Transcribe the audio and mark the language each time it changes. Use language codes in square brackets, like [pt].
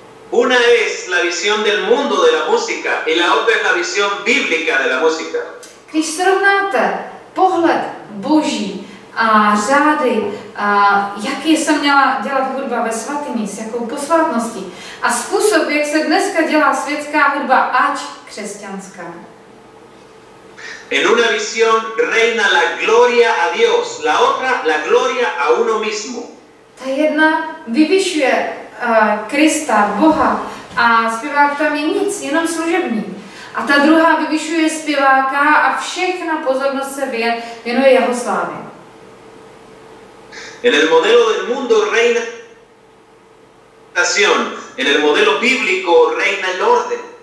[es] Una es la visión del mundo de la música y la otra es la visión bíblica de la música. [cs] Když srovnáte pohled boží a řády, a jaký se měla dělat hudba ve svatyni, s jakou posvátností a způsob, jak se dneska dělá světská hudba, ač křesťanská. [es] En una visión reina la gloria a Dios, la otra la gloria a uno mismo. [cs] Ta jedna vyvyšuje Krista, Boha, a zpěvák tam je nic, jenom služební. A ta druhá vyvyšuje zpěváka a všechna pozornost se věnuje jeho slávě. [es] En el modelo del mundo reina nación, en el modelo bíblico reina el orden.